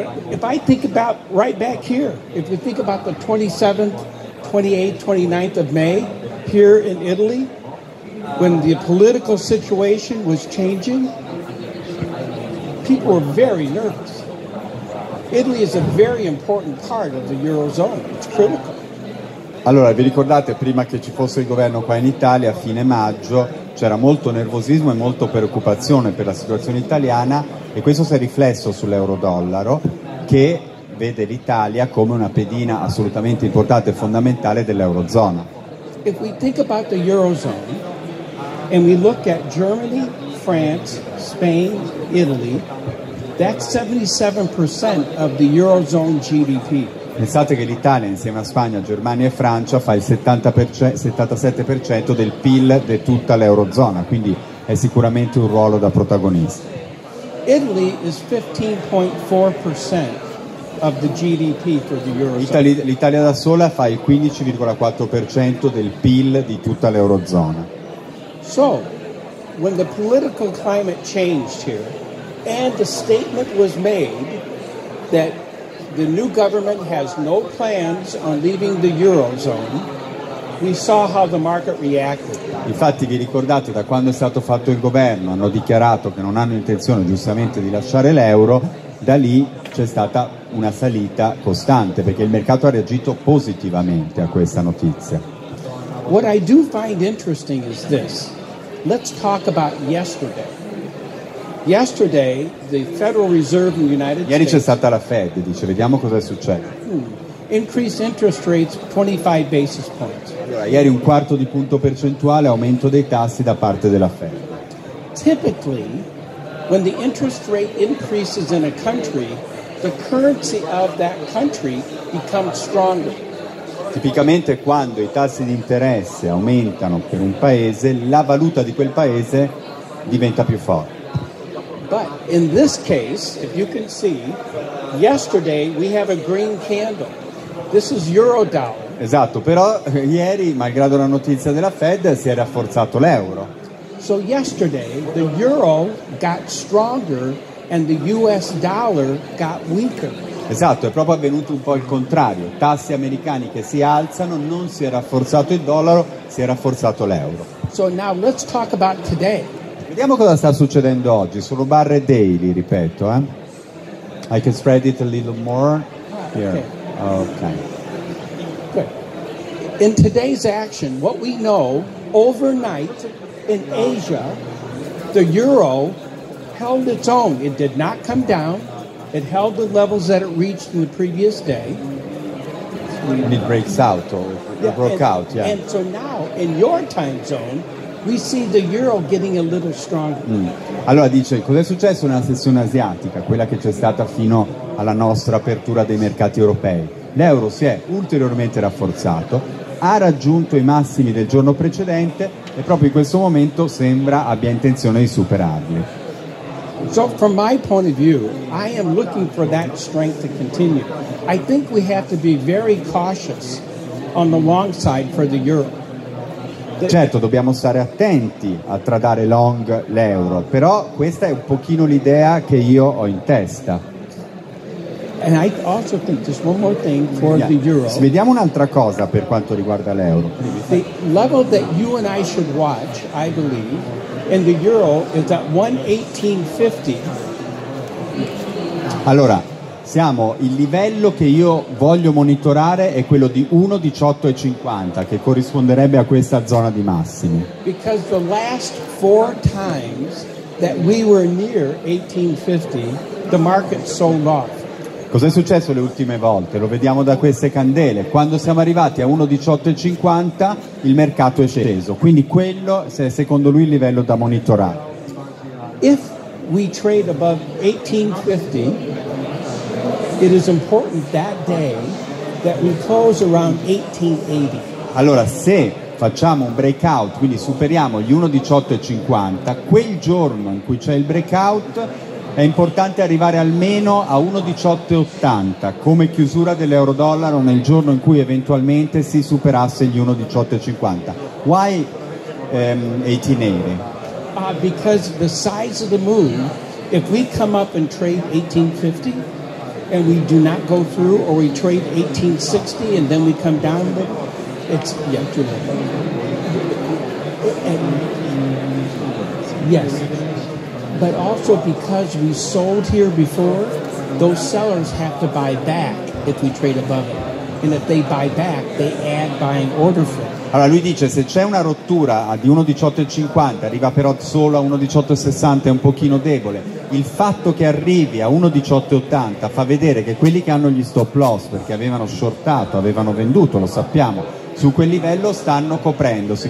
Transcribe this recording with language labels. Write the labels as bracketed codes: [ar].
[en] If I think about right back here, if we think about the 27th, 28th, 29th of May here in Italy, when the political situation was changing, people were very nervous. Italy is a very important part of the Eurozone. It's critical. [it] Allora, vi ricordate prima che ci fosse il governo qua in Italia, a fine maggio, c'era molto nervosismo e molto preoccupazione per la situazione italiana e questo si è riflesso sull'euro-dollaro che vede l'Italia come una pedina assolutamente importante e fondamentale dell'eurozona. [en] If we think about the eurozone and we look at Germany, France, Spain, Italy, that's 77% of the eurozone GDP. [it] Pensate che l'Italia insieme a Spagna, Germania e Francia fa il 77% del PIL di tutta l'eurozona, quindi è sicuramente un ruolo da protagonista. [en] Italy is 15.4% of the GDP for the eurozone. [it] L'Italia da sola fa il 15.4% del PIL di tutta l'eurozona. [en] So, when the political climate changed here and the statement was made that the new government has no plans on leaving the eurozone, we saw how the market reacted. [it] Infatti vi ricordate da quando è stato fatto il governo, hanno dichiarato che non hanno intenzione giustamente di lasciare l'euro, da lì c'è stata una salita costante, perché il mercato ha reagito positivamente a questa notizia. [en] What I do find interesting is this. Let's talk about yesterday. Yesterday, the Federal Reserve in the United [it] States. Ieri c'è stata la Fed, dice, vediamo cosa è successo. [en] Increased interest rates 25 basis points. [it] Allora, ieri un quarto di punto percentuale aumento dei tassi da parte della Fed. [en] Typically, when the interest rate increases in a country, the currency of that country becomes stronger. [it] Tipicamente quando i tassi di interesse aumentano per un paese, la valuta di quel paese diventa più forte. [en] But in this case, if you can see, yesterday we have a green candle. This is euro dollar. [it] Esatto, però ieri, malgrado la notizia della Fed, si è rafforzato l'euro. [en] So yesterday the euro got stronger and the US dollar got weaker. [it] Esatto, è proprio avvenuto un po' il contrario. Tassi americani che si alzano, non si è rafforzato il dollaro, si è rafforzato l'euro. [en] So now let's talk about today. [it] Vediamo cosa sta succedendo oggi, sono barre daily, ripeto. [en] I can spread it a little more here. Okay. Good. In today's action, what we know, overnight in Asia, the euro held its own. It did not come down. It held the levels that it reached in the previous day. And it breaks out, or it broke out, yeah. And so now, in your time zone, we see the euro getting a little stronger. Mm. [it] Allora dice, cos'è successo nella sessione asiatica, quella che c'è stata fino alla nostra apertura dei mercati europei? L'euro si è ulteriormente rafforzato, ha raggiunto i massimi del giorno precedente e proprio in questo momento sembra abbia intenzione di superarli. [en] So from my point of view, I am looking for that strength to continue. I think we have to be very cautious on the long side for the euro. [it] Certo, dobbiamo stare attenti a tradare long l'euro, però questa è un pochino l'idea che io ho in testa. [en] And I also think just one more thing for the euro. [it] Vediamo un'altra cosa per quanto riguarda l'euro. [en] The level that you and I should watch, I believe, in the euro is at 1.1850. [it] Allora, siamo il livello che io voglio monitorare è quello di 1.1850, che corrisponderebbe a questa zona di massimi. [en] Because the last four times that we were near 1850, the market sold off. [it] Cos'è successo le ultime volte? Lo vediamo da queste candele. Quando siamo arrivati a 1.1850 il mercato è sceso. Quindi quello è secondo lui il livello da monitorare. [en] If we trade above 1850, it is important that day that we close around 1880. [it] Allora, se facciamo un breakout, quindi superiamo gli 1.1850, quel giorno in cui c'è il breakout è importante arrivare almeno a 1.1880 come chiusura dell'euro dollaro nel giorno in cui eventualmente si superasse gli 1.1850. [en] Why 1880? Because the size of the moon, if we come up and trade 1850 and we do not go through, or we trade 1860 and then we come down, it's yes. But also because we sold here before, those sellers have to buy back if we trade above it. And if they buy back, they add buying order flow. [it] Allora lui dice, se c'è una rottura di 1.1850, arriva però solo a 1.1860, è un pochino debole. Il fatto che arrivi a 1.1880 fa vedere che quelli che hanno gli stop loss, perché avevano shortato, avevano venduto, lo sappiamo, su quel livello stanno coprendosi.